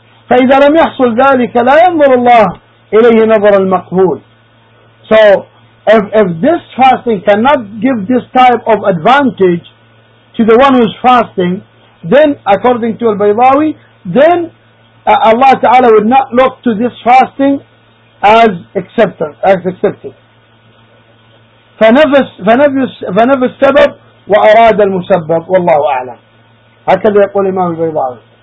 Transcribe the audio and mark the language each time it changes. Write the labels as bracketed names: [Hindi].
[Arabic] فإذا لم يحصل ذلك لا ينظر الله إليه نظر المقبول. [English] So if this fasting cannot give this type of advantage to the one who's fasting, then according to Al-Baydawi, then Allah Ta'ala would not look to this fasting as accepted. [Arabic] فنفس السبب وأراد المسبب والله أعلم. هكذا يقول إمام البيضاوي.